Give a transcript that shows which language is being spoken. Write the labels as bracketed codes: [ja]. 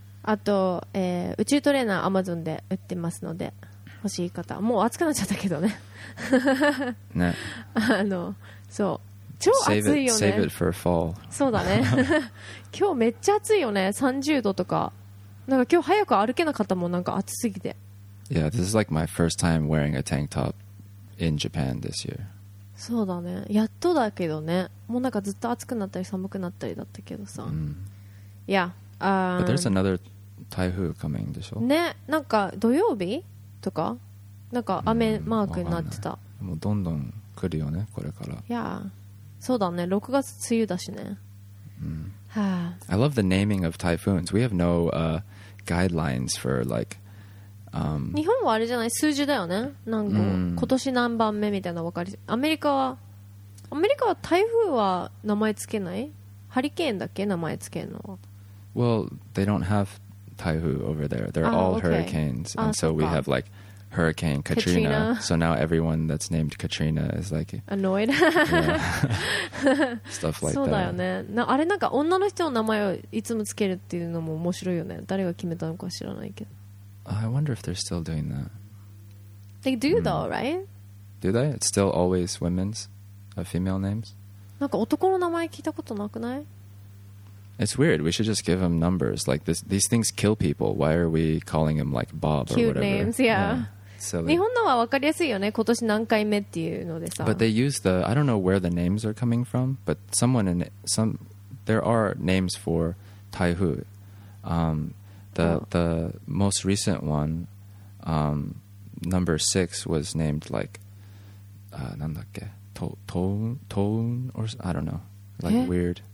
[ja] あと、宇宙トレーナー Amazon で売ってますので、欲しい方、もう暑くなっちゃったけどね。ね。そう、超暑いよね。 [en] save it for fall。 [ja] そうだね。今日めっちゃ暑いよね、30度とか。なんか今日早く歩けなかったもん、なんか暑すぎて。 [en] Yeah, this is like my first time wearing a tank top in Japan this year。 [ja] そうだね、やっとだけどね、もうなんかずっと暑くなったり寒くなったりだったけどさ、 mm. [en] Yeah, but there's another 台風 coming [ja] でしょ。ね、なんか土曜日とかなんか雨マークになってた。もうどんどん来るよね、これから。 [en] Yeah, [ja] そうだね、6月梅雨だしね、 [en] mm. I love the naming of typhoons. We have no guidelines for like [ja] 日本はあれじゃない、数字だよね、なんか、mm. 今年何番目みたいな分かり。アメリカは台風は名前つけない、ハリケーンだっけ名前つけるのは。 [en] Well, they don't have 台風 over there. They're all hurricanes. And so we have like Hurricane Katrina. So now everyone that's named Katrina is like annoyed. Stuff like [ja] that. そうだよね。あれなんか女の人の名前をいつもつけるっていうのも面白いよね。誰が決めたのか知らないけど、 [en] I wonder if they're still doing that. They do though, right? Do they? It's still always women's, female names? [ja] なんか男の名前聞いたことなくない? [en] It's weird. We should just give them numbers. Like, these things kill people. Why are we calling them like Bob or whatever? Cute names, yeah. Silly. [ja] 日本のは分かりやすいよね。今年何回目っていうのでさ。 [en] But they use the... I don't know where the names are coming from, but someone in... There are names for 台風. The most recent one, number 6 was named like, [ja] nandakke, [en] toun or I don't know, like weird.